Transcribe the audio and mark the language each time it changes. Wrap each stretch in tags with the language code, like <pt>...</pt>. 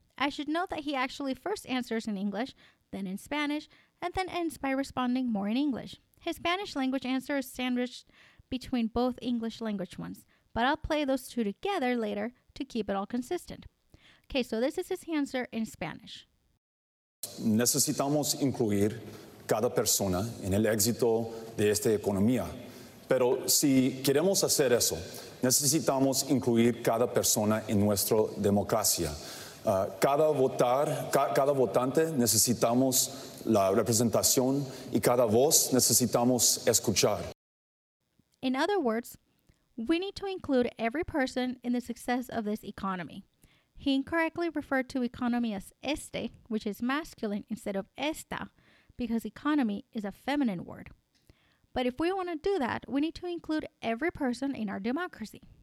<en>I should note that he actually first answers in English, then in Spanish, and then ends by responding more in English. His Spanish language answer is sandwiched between both English language ones, but I'll play those two together later to keep it all consistent. Okay, so this is his answer in Spanish.</en> <es>Necesitamos incluir cada persona en el éxito de esta economía. Pero si queremos hacer eso, necesitamos incluir cada persona en nuestra democracia. Cada votante necesitamos la representación y cada voz necesitamos escuchar.</es> <en>In other words, we need to include every person in the success of this economy. He incorrectly referred to economy as este, which is masculine instead of esta, because economy is a feminine word. But if we want to do that, we need to include every person in our democracy.</en>